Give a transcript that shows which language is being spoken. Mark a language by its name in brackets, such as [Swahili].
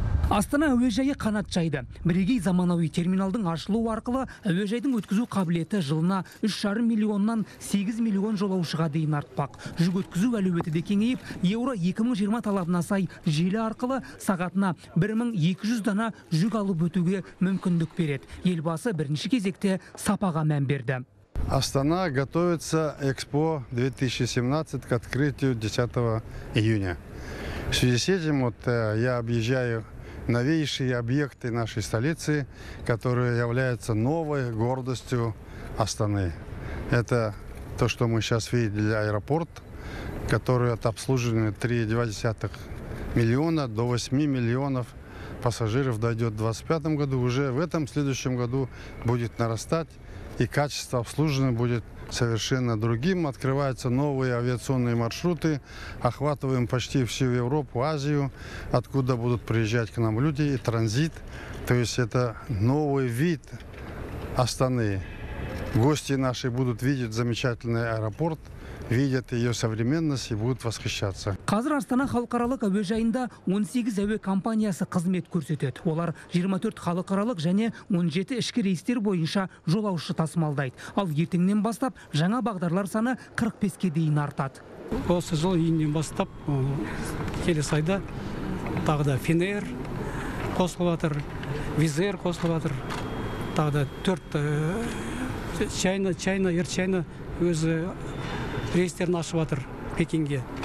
[Kazakh] Астана әуежайы қанат жайды. Бірегей заманауи терминалдың ашылуы арқылы әуежайдың өткізу қабілеті жылына 3,5 миллионнан 8 миллион жолаушыға дейін артпақ. Жүк өткізу әлеуеті де кеңейіп, Еуро 2020 талабына сай желі арқылы сағатына 1200 дана жүк алып өтуге мүмкіндік береді. Елбасы бірінші кезекте сапаға мән берді. [Russian] Астана готовится Экспо 2017 к открытию 10 июня. В связи с этим вот я объезжаю новейшие объекты нашей столицы, которые являются новой гордостью Астаны. Это то, что мы сейчас видели, аэропорт, который от обслуживания 3,2 миллиона до 8 миллионов пассажиров дойдет в 2025 году. Уже в этом следующем году будет нарастать, и качество обслуживания будет совершенно другим. Открываются новые авиационные маршруты. Охватываем почти всю Европу, Азию, откуда будут приезжать к нам люди, и транзит. То есть это новый вид Астаны. Гости наши будут видеть замечательный аэропорт, видят ее современность и будут восхищаться. [Kazakh] Қазір Астана халықаралық әуежайында 18 әуе компаниясы қызмет көрсетеді. Олар 24 халықаралық және 17 ішкі рейстер бойынша жолаушы тасымалдайды. Ал ертеңнен бастап жаңа бағдарлар саны 45-ке дейін артады. Осы жыл енінен бастап келесі айда тағы да Финер қосылатыр, Визер қосылатыр, тағы да 4 Чайна, Ерчайна өзі рейстерін ашыватыр Пекинге.